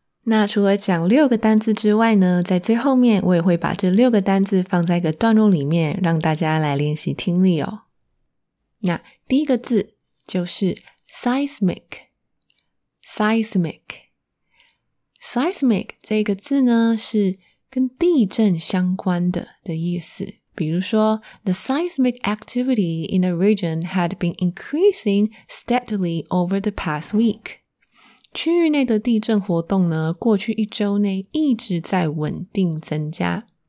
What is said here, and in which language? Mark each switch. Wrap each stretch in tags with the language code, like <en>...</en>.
<zh>那除了讲六个单字之外呢，在最后面我也会把这六个单字放在一个段落里面，让大家来练习听力哦。那第一个字就是 seismic， seismic， seismic 这个字呢是跟地震相关的的意思。比如说</zh> <en>The seismic activity in the region had been increasing steadily over the past week.</en> <zh>区域内的地震活动呢，过去一周内一直在稳定增加。</zh>